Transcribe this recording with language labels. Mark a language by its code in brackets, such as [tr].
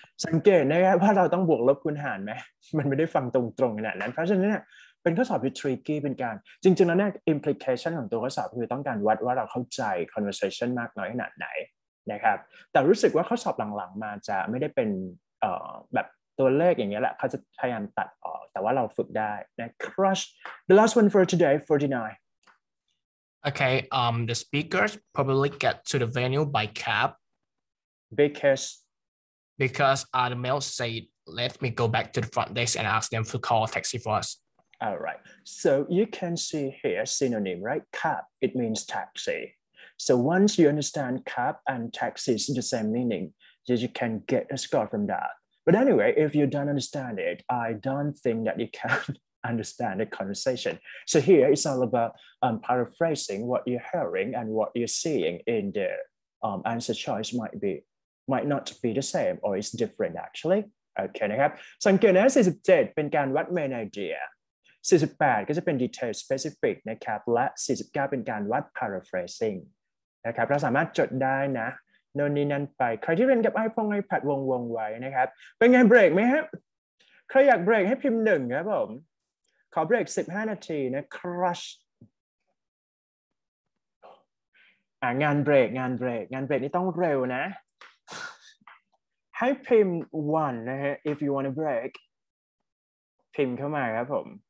[th] สังเกตนะครับว่าเราต้องบวกลบคูณหารไหมมันไม่ได้ฟังตรงๆขนาดนั้นเพราะฉะนั้นเนี่ยเป็นข้อสอบที่ tricky เป็นการจริงๆแล้วเนี่ย implication ของตัวข้อสอบคือต้องการวัดว่าเราเข้าใจ conversation มากน้อยขนาดไหนนะครับแต่รู้สึกว่าข้อสอบหลังๆมาจะไม่ได้เป็นแบบตัวเลขอย่างเงี้ยแหละเขาจะพยายามตัดออกแต่ว่าเราฝึกได้นะ [en] crush the last one for today [th] 49 [en] okay the speakers probably get to the venue by cab because the mail said let me go back to the front desk and ask them to call a taxi for us alright so you can see here synonym right cab it means taxiSo once you understand cab and taxi is the same meaning, you can get a score from that. But anyway, if you don't understand it, I don't think that you can understand the conversation. So here it's all about paraphrasing what you're hearing and what you're seeing in the answer choice might not be the same or it's different actually. [th] Okay, นะครับ สังเกตนะ 47 เป็นการวัด main idea. 48 ก็จะเป็น detail specific นะครับ และ 49 เป็นการวัด paraphrasing. นะครับเราสามารถจดได้นะโน่นนี่นั่นไปใครที่เรียนกับไอพงไอแพดวงไว้นะครับเป็นไงเบรกไหมครับใครอยากเบรกให้พิมพ์หนึ่งครับผมขอเบรก15นาทีนะครัชงานเบรกนี่ต้องเร็วนะให้พิมพ์1นะฮะ [en] if you want a break [th] พิมพ์เข้ามาครับผม